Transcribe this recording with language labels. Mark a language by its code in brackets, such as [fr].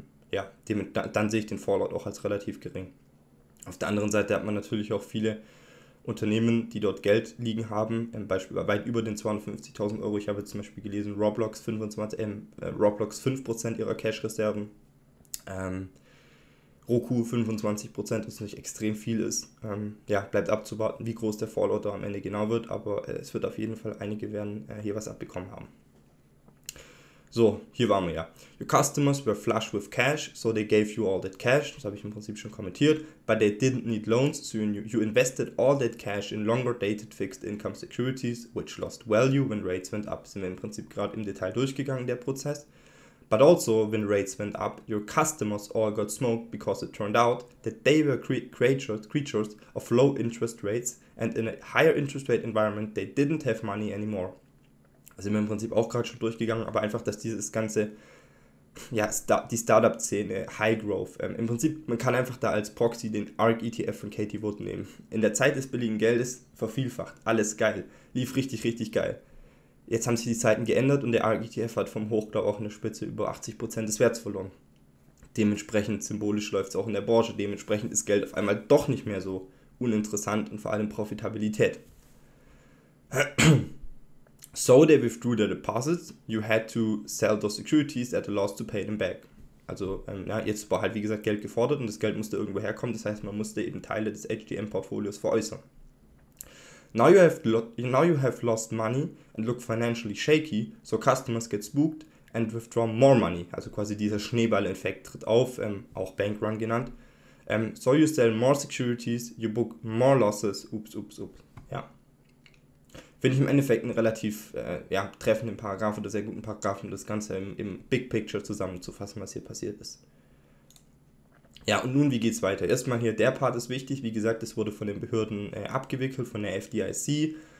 [de] Ja, dann sehe ich den Fallout auch als relativ gering. Auf der anderen Seite hat man natürlich auch viele Unternehmen, die dort Geld liegen haben, beispielsweise weit über den 250.000 Euro. Ich habe jetzt zum Beispiel gelesen, Roblox 5% ihrer Cash-Reserven. Roku 25%, was nicht extrem viel ist. Ja, bleibt abzuwarten, wie groß der Fallout da am Ende genau wird, aber es wird auf jeden Fall einige werden hier was abbekommen haben. So, hier waren wir ja. [en] Your customers were flush with cash, so they gave you all that cash. [de] Das habe ich im Prinzip schon kommentiert. [en] But they didn't need loans, so you invested all that cash in longer dated fixed income securities, which lost value when rates went up. [de] Sind wir im Prinzip gerade im Detail durchgegangen, der Prozess. [en] But also, when rates went up, your customers all got smoked because it turned out that they were creatures of low interest rates and in a higher interest rate environment they didn't have money anymore. [de] Also sind wir im Prinzip auch gerade schon durchgegangen, aber einfach, dass dieses ganze, ja, die Startup-Szene, High Growth, im Prinzip, man kann einfach da als Proxy den ARK-ETF von Katie Wood nehmen. In der Zeit des billigen Geldes vervielfacht, alles geil, lief richtig, richtig geil. Jetzt haben sich die Zeiten geändert und der ARK-ETF hat vom Hoch, glaube ich, auch eine Spitze über 80% des Werts verloren. Dementsprechend symbolisch läuft es auch in der Branche. Dementsprechend ist Geld auf einmal doch nicht mehr so uninteressant und vor allem Profitabilität. [en] So they withdrew their deposits. You had to sell those securities at a loss to pay them back. [de] Also ja, jetzt war halt wie gesagt Geld gefordert und das Geld musste irgendwo herkommen. Das heißt, man musste eben Teile des HTM-Portfolios veräußern. [en] Now you have lost money and look financially shaky, so customers get spooked and withdraw more money. [de] Also quasi dieser Schneeball-Effekt tritt auf, auch Bankrun genannt. [en] So you sell more securities, you book more losses, oops. [de] Ja. Finde ich im Endeffekt einen relativ treffenden Paragraph oder sehr guten Paragraph, um das Ganze im Big Picture zusammenzufassen, was hier passiert ist. Ja, und nun, wie geht's weiter? Erstmal hier, der Part ist wichtig. Wie gesagt, es wurde von den Behörden abgewickelt, von der FDIC.